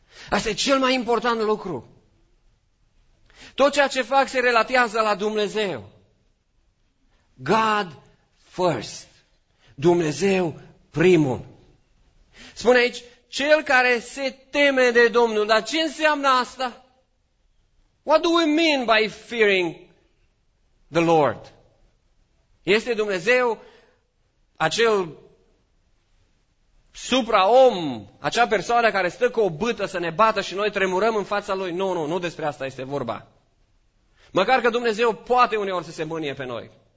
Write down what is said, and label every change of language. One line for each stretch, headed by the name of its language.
Romanian: Asta e cel mai important lucru. Tot ceea ce fac se relatează la Dumnezeu.
English: God first.
Romanian: Dumnezeu primul. Spune aici, cel care se teme de Domnul. Dar ce înseamnă asta?
English: What do we mean by fearing the Lord?
Romanian: Este Dumnezeu acel supra-om, acea persoană care stă cu o bâtă să ne bată și noi tremurăm în fața Lui? Nu, nu, nu despre asta este vorba. Măcar că Dumnezeu poate uneori să se mânie pe noi.